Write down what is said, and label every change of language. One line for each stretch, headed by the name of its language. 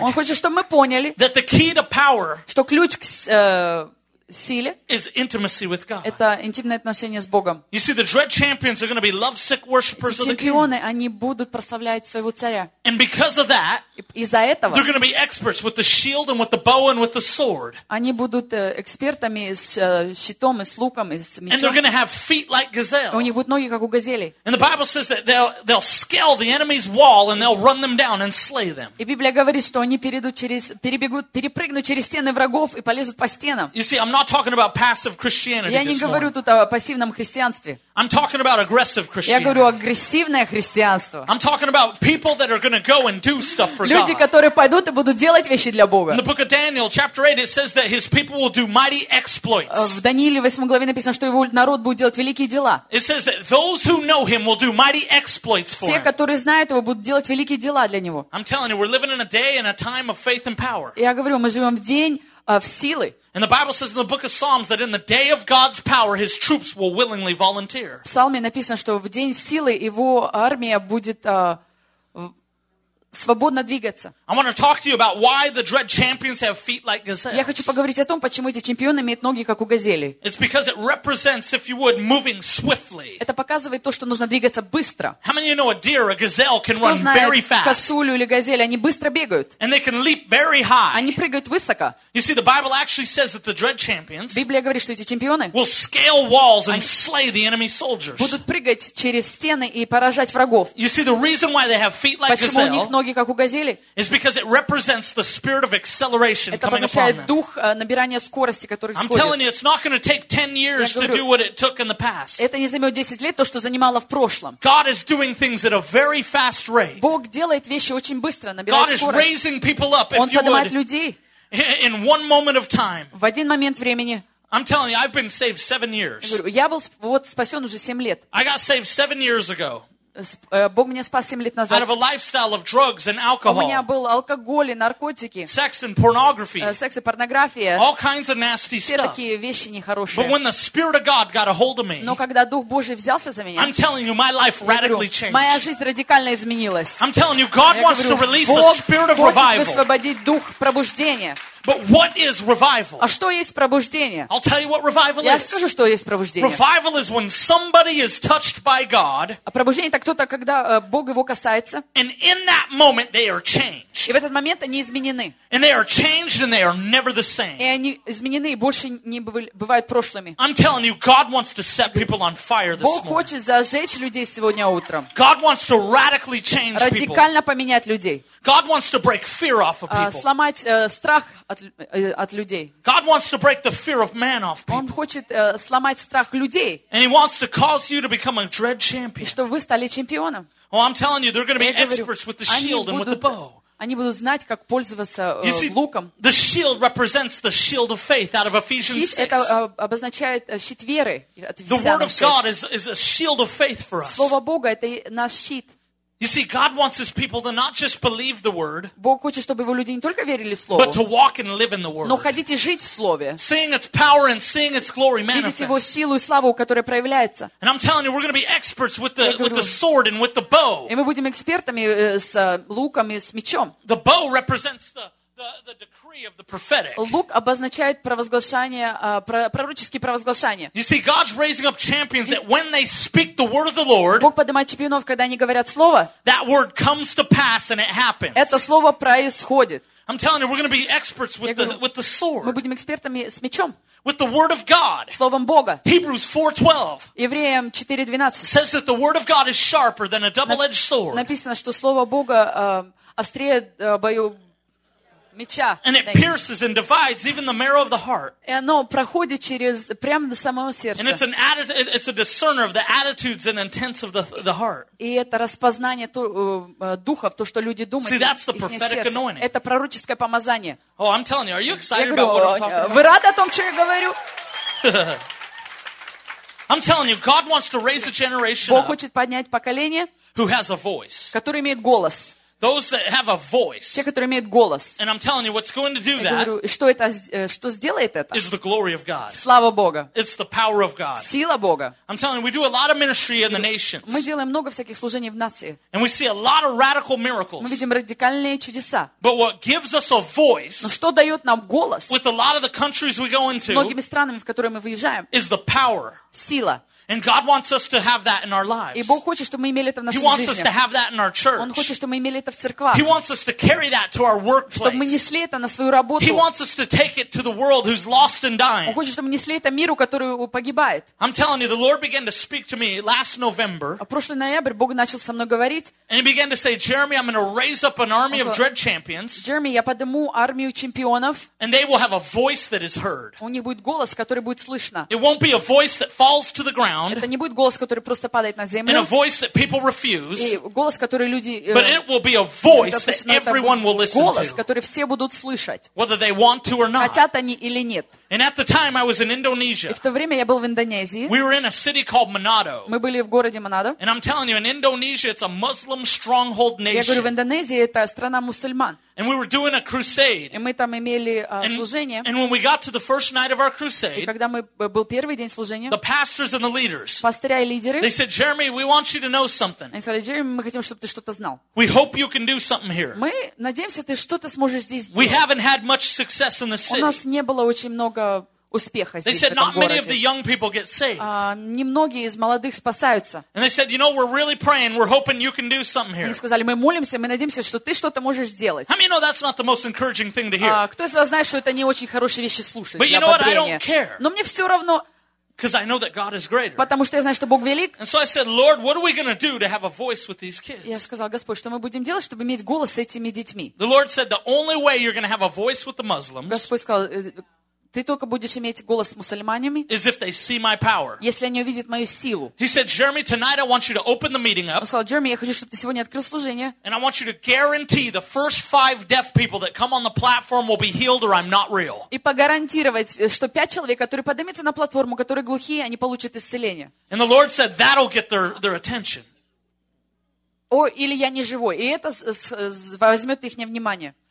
Russian: Он хочет, чтобы мы поняли.
English: That the key to power.
Russian: Что ключ к силе,
English: is intimacy with God.
Russian: Это интимное отношение с Богом.
English: You see, the dread champions are going to be lovesick worshippers of the king.
Russian: Чемпионы, они будут прославлять своего царя.
English: And because of that,
Russian: из-за этого,
English: they're going to be experts with the shield and with the bow and with the sword.
Russian: Они будут экспертами с щитом и с луком и с мечом.
English: And they're going to have feet like gazelle.
Russian: У них будут ноги как у газели.
English: And the Bible says that they'll scale the enemy's wall and they'll run them down and slay them.
Russian: И Библия говорит, что они перебегут, перепрыгнут через стены врагов и полезут по стенам.
English: You see, I'm not not talking about passive Christianity.
Russian: Я не говорю тут о пассивном христианстве.
English: I'm talking about aggressive Christianity.
Russian: Я говорю агрессивное христианство.
English: I'm talking about people that are going to go and do stuff for God.
Russian: Люди, которые пойдут и будут делать вещи для Бога.
English: In the book of Daniel, chapter 8, it says that his people will do mighty exploits.
Russian: В Данииле 8 главе написано, что его народ будет делать великие дела.
English: It says that those who know him will do mighty exploits for him.
Russian: Те, которые знают его, будут делать великие дела для него.
English: I'm telling you, we're living in a day and a time of faith and power.
Russian: Я говорю, мы живем в день в силы.
English: And the Bible says in the book of Psalms that in the day of God's power his troops will willingly volunteer.
Russian: В Псалме написано, что в день силы его армия будет свободно двигаться.
English: I want to talk to you about why the dread champions have feet like gazelles.
Russian: Я хочу поговорить о том, почему эти чемпионы имеют ноги как у газели.
English: It's because it represents, if you would, moving swiftly.
Russian: Это показывает то, что нужно двигаться быстро.
English: How many of you know a deer, a gazelle can run very fast?
Russian: Кто знает косулю или газель? Они быстро бегают.
English: And they can leap very high.
Russian: Они прыгают высоко.
English: You see, the Bible actually says that the dread champions.
Russian: Библия говорит, что эти чемпионы
English: will scale walls and slay the enemy soldiers.
Russian: Будут прыгать через стены и поражать врагов.
English: You see, the reason why they have feet like gazelle.
Russian: Как у газели.
English: It's because it represents the spirit of acceleration coming upon them.
Russian: Это означает дух набирания скорости, который сходит.
English: I'm telling you, it's not going to take 10 years to do what it took in the past.
Russian: Это не займет 10 лет то, что занимало в прошлом.
English: God is doing things at a very fast rate.
Russian: Бог делает вещи очень быстро, набирает скорость.
English: God is raising people up.
Russian: Он поднимает людей.
English: In one moment of time.
Russian: В один момент времени.
English: I'm telling you, I've been saved 7 years.
Russian: Я был вот спасен уже 7 лет.
English: I got saved 7 years ago.
Russian: Бог меня спас 7 лет назад.
English: Out of a lifestyle of drugs and alcohol.
Russian: У меня был алкоголь и наркотики.
English: Sex and pornography.
Russian: Секс и порнография.
English: All kinds of nasty stuff.
Russian: Все такие вещи нехорошие.
English: But when the Spirit of God got a hold of me.
Russian: Но когда Дух Божий взялся за меня.
English: I'm telling you, my life radically changed.
Russian: Моя жизнь радикально изменилась.
English: I'm telling you, God wants to release a spirit of revival.
Russian: Бог хочет высвободить дух пробуждения.
English: But what is revival?
Russian: А что есть пробуждение?
English: I'll tell you what revival is.
Russian: Я скажу, что есть пробуждение.
English: Revival is when somebody is touched by God.
Russian: А пробуждение это кто-то, когда Бог его касается.
English: And in that moment they are changed.
Russian: И в этот момент они изменены.
English: And they are changed and they are never the same.
Russian: И они изменены и больше не бывают прошлыми.
English: I'm telling you, God wants to set people on fire this morning.
Russian: Бог хочет зажечь людей сегодня утром.
English: God wants to radically change people.
Russian: Радикально поменять людей.
English: God wants to break fear off of people.
Russian: Сломать страх от людей.
English: God wants to break the fear of man off people.
Russian: Он хочет сломать страх людей.
English: And he wants to cause you to become a dread champion.
Russian: И чтобы вы стали чемпионом.
English: Oh, I'm telling you, they're going to be experts with the shield and with the bow.
Russian: Они будут знать, как пользоваться луком.
English: The shield represents the shield of faith out of Ephesians 6.
Russian: Это обозначает щит веры.
English: The word of God is a shield of faith for us.
Russian: Слово Бога это наш щит.
English: You see, God wants His people to not just believe the word,
Russian: Бог хочет, чтобы его люди не только верили слову,
English: but to walk and live in the word.
Russian: Но ходить и жить в слове.
English: Seeing its power and seeing its glory manifest.
Russian: Видеть его силу и славу, которая проявляется.
English: And I'm telling you, we're going to be experts with the sword and with the bow.
Russian: И мы будем экспертами с луком и с мечом.
English: The bow represents the decree of the prophetic.
Russian: Лук обозначает провозглашение, пророческие провозглашения.
English: You see, God's raising up champions that when they speak the word of the Lord,
Russian: Бог поднимает чемпионов, когда они говорят слово,
English: that word comes to pass and it happens.
Russian: Это слово происходит.
English: I'm telling you, we're going to be experts with the sword.
Russian: Мы будем экспертами с мечом.
English: With the word of God.
Russian: Словом Бога.
English: Hebrews 4:12.
Russian: Евреям 4:12.
English: Says that the word of God is sharper than a double-edged sword.
Russian: Написано, что слово Бога острее бою меча.
English: And it pierces and divides even the marrow of the heart.
Russian: И оно проходит через прямо до самого сердца.
English: And it's a discerner of the attitudes and intents of the heart.
Russian: И это распознание духов, то, что люди думают.
English: See, that's the prophetic anointing.
Russian: Это пророческое помазание.
English: Oh, I'm telling you, are you excited about what I'm talking about?
Russian: Вы рады о том, что я говорю?
English: I'm telling you, God wants to raise a generation.
Russian: Бог хочет поднять поколение,
English: who has a voice.
Russian: Которое имеет голос.
English: Those that have a voice.
Russian: Те, которые имеют голос.
English: And I'm telling you, what's going to do that?
Russian: Я говорю, что сделает это?
English: Is the glory of God.
Russian: Слава Бога.
English: It's the power of God.
Russian: Сила Бога.
English: I'm telling you, we do a lot of ministry in the nations.
Russian: Мы делаем много всяких служений в нации.
English: And we see a lot of radical miracles.
Russian: Мы видим радикальные чудеса.
English: But what gives us a voice?
Russian: Но что дает нам голос?
English: With a lot of the countries we go into.
Russian: С многими странами, в которые мы выезжаем.
English: Is the power.
Russian: Сила.
English: And God wants us to have that in our lives.
Russian: И Бог хочет, чтобы мы имели это в нашей жизни.
English: He wants us to have that in our church.
Russian: Он хочет, чтобы мы имели это в церквах.
English: He wants us to carry that to our workplace.
Russian: Чтобы мы несли это на свою работу.
English: He wants us to take it to the world who's lost and dying.
Russian: Он хочет, чтобы мы несли это миру, который погибает.
English: I'm telling you, the Lord began to speak to me last November.
Russian: А прошлый ноябрь Бог начал со мной говорить.
English: And He began to say, Jeremy, I'm going to raise up an army of dread champions.
Russian: Jeremy, я подниму армию чемпионов.
English: And they will have a voice that is heard.
Russian: У них будет голос, который будет слышно.
English: It won't be a voice that falls to the ground.
Russian: Это не будет голос, который просто падает на землю.
English: And a voice that people refuse.
Russian: И голос, который люди...
English: But it will be a voice that everyone will listen to.
Russian: Голос, который все будут слышать.
English: Whether they want to or not.
Russian: Хотят они или нет.
English: And at the time I was in Indonesia.
Russian: И в то время я был в Индонезии.
English: We were in a city called Manado.
Russian: Мы были в городе Манадо.
English: And I'm telling you, in Indonesia it's a Muslim stronghold nation.
Russian: Я говорю, в Индонезии это страна мусульман.
English: And we were doing a crusade.
Russian: И мы там имели служение.
English: And when we got to the first night of our crusade.
Russian: И когда мы был первый день служения.
English: The pastors and the leaders.
Russian: Пастыря и лидеры.
English: They said, Jeremy, we want you to know something.
Russian: Они сказали, Джереми, мы хотим, чтобы ты что-то знал.
English: We hope you can do something here.
Russian: Мы надеемся, ты что-то сможешь здесь сделать.
English: We haven't had much success in the city.
Russian: У нас не было очень много успеха здесь,
English: they said, not
Russian: в этом городе.
English: Many of the young people get saved.
Russian: Немногие из молодых спасаются.
English: And they said, you know, we're really praying, we're hoping you can do something here.
Russian: Они сказали, мы молимся, мы надеемся, что ты что-то можешь сделать.
English: How many know that's not the most encouraging thing to hear?
Russian: Кто из вас знает, что это не очень хорошие вещи слушать?
English: But you know what? I don't care.
Russian: Но мне все равно.
English: Because I know that God is greater.
Russian: Потому что я знаю, что Бог велик.
English: And so I said, Lord, what are we going to do to have a voice with these kids?
Russian: Я сказал, Господь, что мы будем делать, чтобы иметь голос с этими детьми?
English: The Lord said, the only way you're going to have a voice with the Muslims.
Russian: Господь сказал. Ты только будешь иметь голос с мусульманами,
English: is if they see my power.
Russian: Если они увидят мою силу.
English: He said, Jeremy, tonight I want you to open the meeting up.
Russian: Он сказал, Джереми, я хочу, чтобы ты сегодня открыл служение.
English: And I want you to guarantee the first five deaf people that come on the platform will be healed or I'm not real.
Russian: И погарантировать, что пять человек, которые поднимутся на платформу, которые глухие, они получат исцеление.
English: And the Lord said, that'll get their attention.
Russian: О, или я не живой. И это возьмет их внимание.